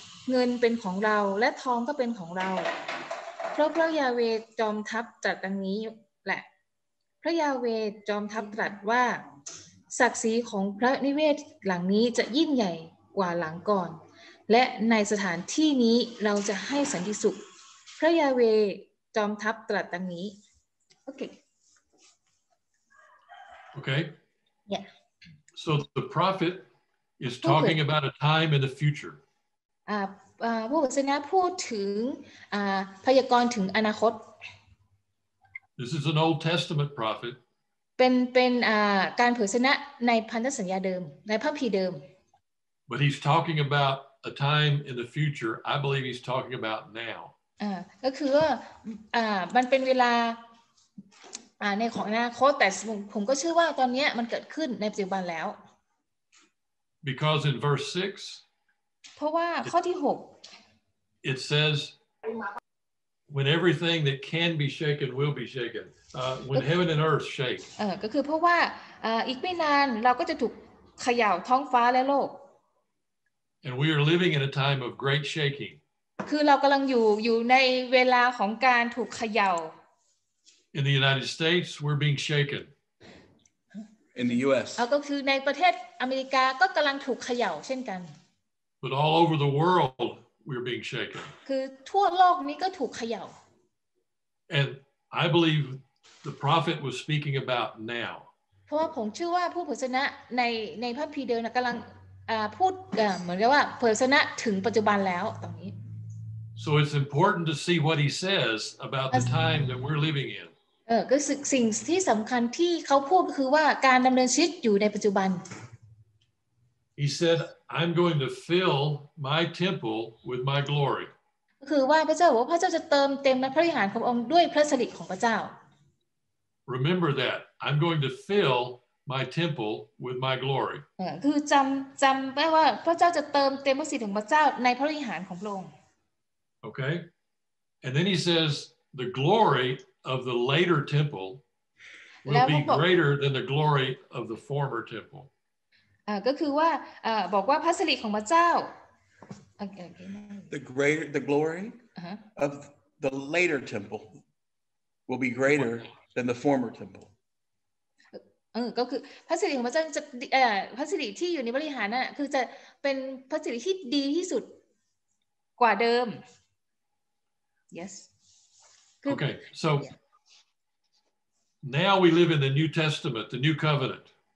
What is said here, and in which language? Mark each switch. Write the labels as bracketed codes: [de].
[th] เงินเป็นของเราและทองก็เป็นของเราเพราะพระยาเวจอมทัพตรัสดังนี้แหละพระยาเวจอมทัพตรัสว่าศักดิ์ศรีของพระนิเวศหลังนี้จะยิ่งใหญ่กว่าหลังก่อนและในสถานที่นี้เราจะให้สันติสุขพระยาเวจอมทัพตรัสดังนี้โอเค [en] Okay. Yeah. So the prophet is talking about a time in the future. [th] ผู้เผยชนะพูดถึงพยากรณ์ถึงอนาคต [en] This is an Old Testament prophet. [th] เป็นการเผยชนะในพันธสัญญาเดิมในพระคัมภีร์เดิม [en] But he's talking about a time in the future. I believe he's talking about now. [th] ก็คือว่ามันเป็นเวลาในของอนาคตแต่ผมก็เชื่อว่าตอนนี้มันเกิดขึ้นในปัจจุบันแล้ว [en] Because in verse 6 [th] เพราะว่าข้อที่6 [en] It says when everything that can be shaken will be shaken when heaven and earth shake [th] ก็คือเพราะว่าอีกไม่นานเราก็จะถูกเขย่าท้องฟ้าและโลก [en] and we are living in a time of great shaking [th] คือเรากําลังอยู่ในเวลาของการถูกเขย่า [en] in the United States we're being shaken in the US [th] ก็คือในประเทศอเมริกาก็กําลังถูกเขย่าเช่นกัน [en] but all over the worldWe're being shaken. [th] คือทั่วโลกนี้ก็ถูกเขย่า [en] And I believe the prophet was speaking about now. [th] เพราะว่าผมเชื่อว่าผู้เผยพระชนะในพระคัมภีร์เดิมกำลังพูดเหมือนกับว่าเผยพระชนะถึงปัจจุบันแล้วตรงนี้ [en] So it's important to see what he says about the time that we're living in. [th] ก็สิ่งที่สำคัญที่เขาพูดก็คือว่าการดำเนินชีวิตอยู่ในปัจจุบัน [en] He said. I'm going to fill my temple with my glory. [th] ก็คือว่าพระเจ้าบอกว่าพระเจ้าจะเติมเต็มพระวิหารขององค์ด้วยพระสิริของพระเจ้า [en] Remember that I'm going to fill my temple with my glory. [th] คือจําไว้ว่าพระเจ้าจะเติมเต็มพระสิริของพระเจ้าในพระวิหารของพระองค์ [en] Okay. And then he says the glory of the later temple will be greater than the glory of the former temple. [th] ก็คือว่าบอกว่าพระสิริของพระเจ้า [en] the greater the glory of the later temple will be greater than the former temple [th] ก็คือพระสิริของพระเจ้าจะพระสิริที่อยู่ในบริหารน่ะคือจะเป็นพระสิริที่ดีที่สุดกว่าเดิม yes [en] okay so now we live in the new testament the new covenant